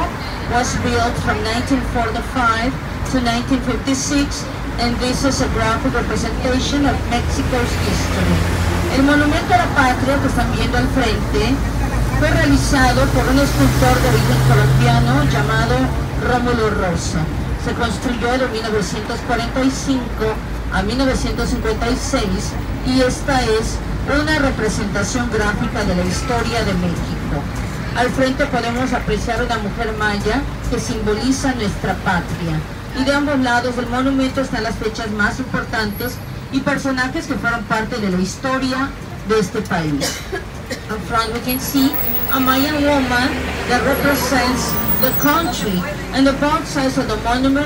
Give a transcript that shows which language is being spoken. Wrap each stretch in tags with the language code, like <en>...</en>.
<en>It was built from 1945 to 1956, and this is a graphic representation of Mexico's history.</en> <es>El Monumento a la Patria que están viendo al frente fue realizado por un escultor de origen colombiano llamado Romulo Rosso. Se construyó de 1945 a 1956 y esta es una representación gráfica de la historia de México. Al frente podemos apreciar una mujer maya que simboliza nuestra patria. Y de ambos lados del monumento están las fechas más importantes y personajes que fueron parte de la historia de este país.</es> <en>In front we can see a Mayan woman that represents the country, and the box size of the monument</en>